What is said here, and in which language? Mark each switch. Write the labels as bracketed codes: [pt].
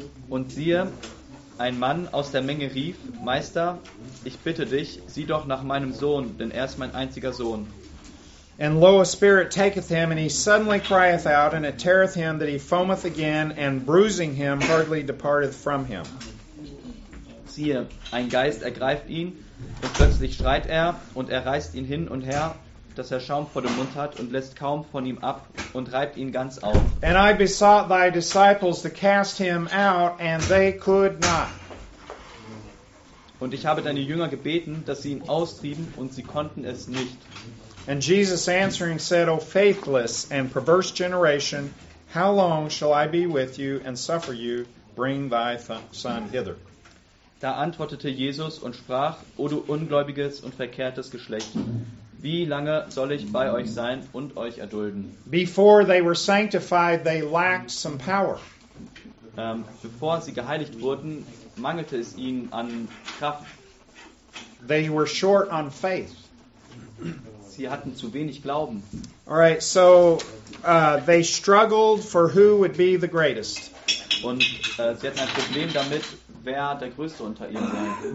[de] Und siehe, ein Mann aus der Menge rief, Meister, ich bitte dich, sieh doch nach meinem Sohn, denn er ist mein einziger Sohn. [en] And lo, a spirit taketh him, and he suddenly crieth out, and it teareth him, that he foameth again, and bruising him, hardly departeth from him. [de] Siehe, ein Geist ergreift ihn, und plötzlich schreit er, und er reißt ihn hin und her, dass er Schaum vor dem Mund hat, und lässt kaum von ihm ab, und reibt ihn ganz auf. [en] And I besought thy disciples to cast him out, and they could not. [de] Und ich habe deine Jünger gebeten, dass sie ihn austrieben, und sie konnten es nicht. [en] And Jesus answering said, O faithless and perverse generation, how long shall I be with you and suffer you? Bring thy son hither. [de] Da antwortete Jesus und sprach, O du ungläubiges und verkehrtes Geschlecht, wie lange soll ich bei euch sein und euch erdulden? [en] Before they were sanctified, they lacked some power. [de] Bevor sie geheiligt wurden, mangelte es ihnen an Kraft. [en] They were short on faith. [de] Sie hatten zu wenig Glauben. [en] All right, so they struggled for who would be the greatest. [de] Und sie hatten ein Problem damit, wer der Größte unter ihnen sein würde.